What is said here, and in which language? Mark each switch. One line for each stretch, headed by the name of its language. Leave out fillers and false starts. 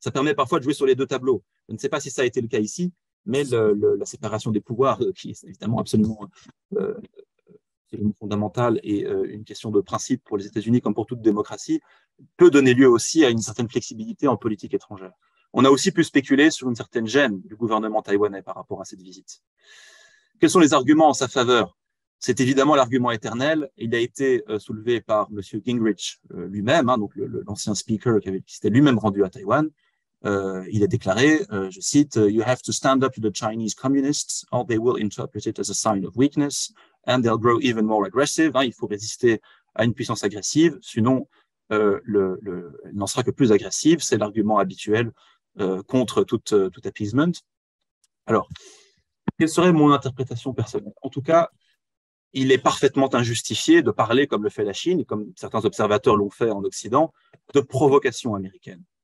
French: Ça permet parfois de jouer sur les deux tableaux. Je ne sais pas si ça a été le cas ici, mais la séparation des pouvoirs, qui est évidemment absolument fondamentale et une question de principe pour les États-Unis comme pour toute démocratie, peut donner lieu aussi à une certaine flexibilité en politique étrangère. On a aussi pu spéculer sur une certaine gêne du gouvernement taïwanais par rapport à cette visite. Quels sont les arguments en sa faveur? C'est évidemment l'argument éternel. Il a été soulevé par M. Gingrich lui-même, hein, donc l'ancien speaker qui s'était lui-même rendu à Taïwan.
English: Il a déclaré, je cite, « You have to stand up to the Chinese communists or they will interpret it as a sign of weakness and they'll grow even more aggressive.
French: Hein, » Il faut résister à une puissance aggressive, sinon elle n'en sera que plus agressive. C'est l'argument habituel contre tout appeasement. Alors, quelle serait mon interprétation personnelle? En tout cas, il est parfaitement injustifié de parler, comme le fait la Chine, comme certains observateurs l'ont fait en Occident, de provocation américaine.